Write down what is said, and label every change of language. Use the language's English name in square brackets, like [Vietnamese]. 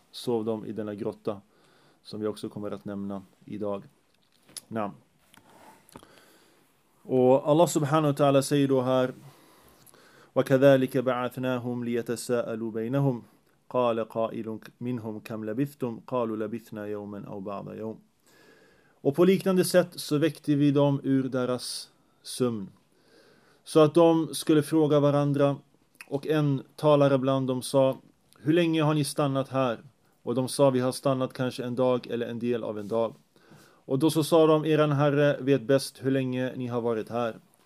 [Swedish] Sov de i denna grotta, som vi också kommer att nämna idag. Naam. Och Allah subhanahu wa ta'ala säger då här: [Arabic] وَكَذَلِكَ بَعَثْنَاهُمْ لِيَتَسَاءَلُوا بَيْنَهُمْ قَالَ قَائِلٌ مِّنْهُمْ كَمْ لَبِثْتُمْ قَالُوا لَبِثْنَا يَوْمًا أَوْ بَعْضَ يَوْمٍ. [Swedish] Och på liknande sätt så väckte vi dem ur deras sömn, så att de skulle fråga varandra. Och en talare bland dem sa: hur länge har ni stannat här? Och de sa: vi har stannat kanske en dag eller en del av en dag. Och då så sa de: eran herre vet bäst hur länge ni har varit här.